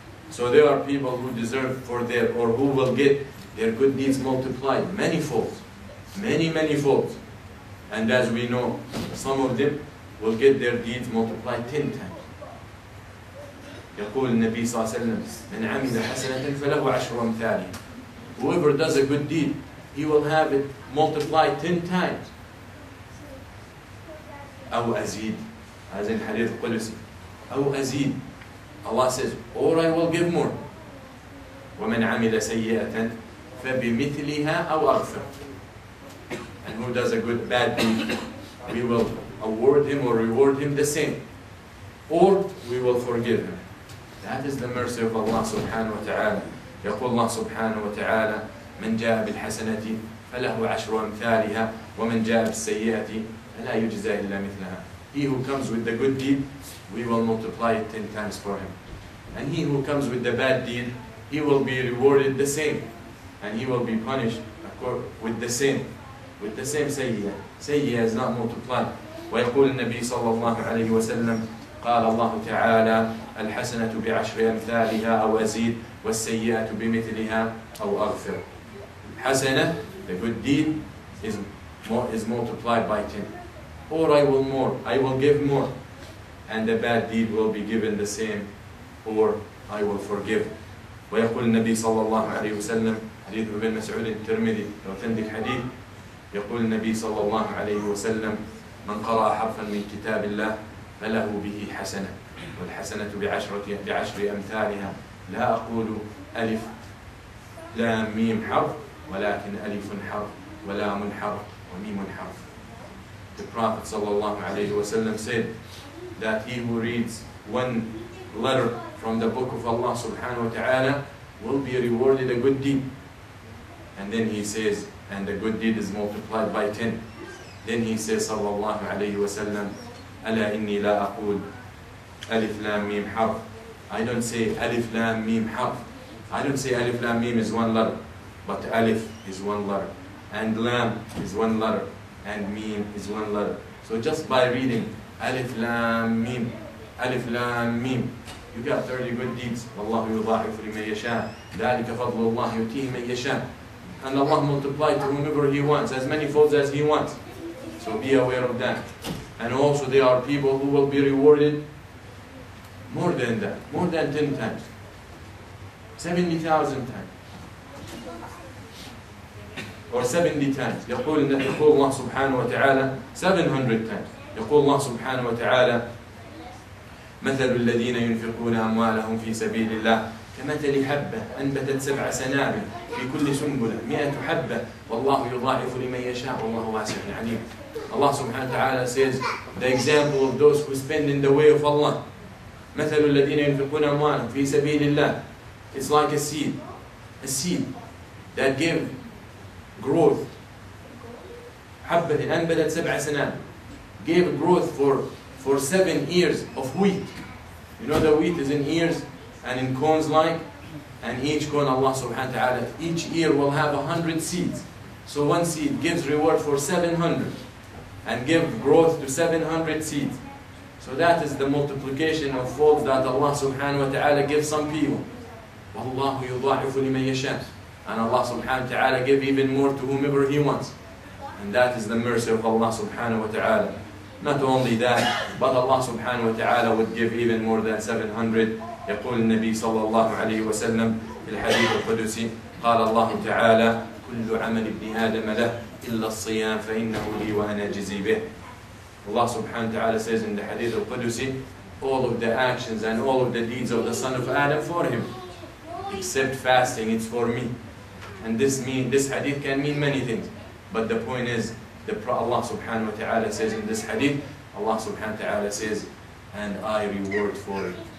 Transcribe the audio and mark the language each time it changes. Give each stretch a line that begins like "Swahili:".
English: So there are people who deserve for their, or who will get their good deeds multiplied. Many folds. Many, many folds. And as we know, some of them will get their deeds multiplied 10 times.
Arabic: يقول النبي صلى الله عليه وسلم من عمل حسنة فله عشر أمثالها.
English: Whoever does a good deed, he will have it multiplied 10 times.
Arabic: أو أزيد.
English: As in Hadith Qudsi.
Arabic: أو أزيد.
English: Allah says, or I will give more.
Arabic: وَمَنْ عَمِلَ سَيِّئَةً فَبِمِثْلِهَا أَوْ أَغْفَرُ.
English: And who does a good, bad deed, we will award him or reward him the same. Or we will forgive him. That is the mercy of Allah subhanahu wa ta'ala.
Arabic: يقول الله سبحانه وتعالى من جاء بالحسنة فله عشر أمثالها ومن جاء بالسيئة فلا يجزى إلا مثلها.
English: He who comes with the good deed, we will multiply it 10 times for him. And he who comes with the bad deed, he will be rewarded the same. And he will be punished with the same. With the same sayyiah. Sayyiah is not multiplied.
Arabic: ويقول النبي صلى الله عليه وسلم قال الله تعالى الحسنة بعشر أمثالها أو أزيد والسيئة بمثلها أو أغفر.
English: حسنة, the good deed, is multiplied by 10. Or I will give more. And the bad deed will be given the same. Or I will forgive.
Arabic: ويقول النبي صلى الله عليه وسلم حديث ابن مسعود الترمذي authentic حديث يقول النبي صلى الله عليه وسلم من قرأ حرفا من كتاب الله فله به حسنة والحسنة بعشر أمثالها لا أقول ألف لا ميم حرف ولكن ألف حرف ولام حرف وميم حرف.
English: The Prophet صلى الله عليه وسلم said that he who reads one letter from the book of Allah subhanahu wa ta'ala will be rewarded a good deed. And then he says, and the good deed is multiplied by 10. Then he says, صلى الله عليه وسلم,
Arabic: ألا إني لا أقول ألف لام ميم حرف.
English: I don't say
Arabic: ألف لام ميم حرف.
English: I don't say ألف لام ميم is one letter, but ألف is one letter, and لام is one letter, and ميم is one letter. So just by reading ألف لام ميم, ألف لام ميم, you got 30 good deeds.
Arabic: والله يضاعف لمن يشاء. ذلك فضل الله يؤتيه من يشاء.
English: And Allah multiplied to whomever He wants, as many folds as He wants. So be aware of that. And also there are people who will be rewarded more than that, more than 10 times, 70,000 times, or 70 times.
Arabic: يقول الله سبحانه وتعالى 700 times. يقول الله سبحانه وتعالى مثل الذين ينفقون أموالهم في سبيل الله كمثل حبة أنبتت سبع سنابل في كل سنبلة 100 حبة والله يضاعف لمن يشاء والله واسع عليم.
English: Allah subhanahu wa ta'ala says the example of those who spend in the way of Allah.
Arabic: مثل الذين ينفقون أموالهم في سبيل الله.
English: It's like a seed that gave growth.
Arabic: حبة أنبتت سبع سنابل,
English: gave growth for 7 ears of wheat. You know the wheat is in ears and in cones like, And each cone, Allah subhanahu wa ta'ala, each ear will have 100 seeds. So one seed gives reward for 700 and give growth to 700 seeds. So that is the multiplication of folds that Allah subhanahu wa ta'ala gives some people.
Arabic: وَاللَّهُ يُضَاعِفُ لِمَنْ يَشَاءُ.
English: And Allah subhanahu wa ta'ala give even more to whomever He wants. And that is the mercy of Allah subhanahu wa ta'ala. Not only that, but Allah subhanahu wa ta'ala would give even more than 700.
Arabic: يقول النبي صلى الله عليه وسلم في الحديث القدسي قال الله تعالى كل عمل ابن آدم له إلا الصيام فإنه لي وأنا جزي به.
English: Allah subhanahu wa ta'ala says in the hadith al-Qudusi, all of the actions and all of the deeds of the son of Adam for him, except fasting, it's for me. And this hadith can mean many things. But the point is, Allah subhanahu wa ta'ala says in this hadith, Allah subhanahu wa ta'ala says, and I reward for it.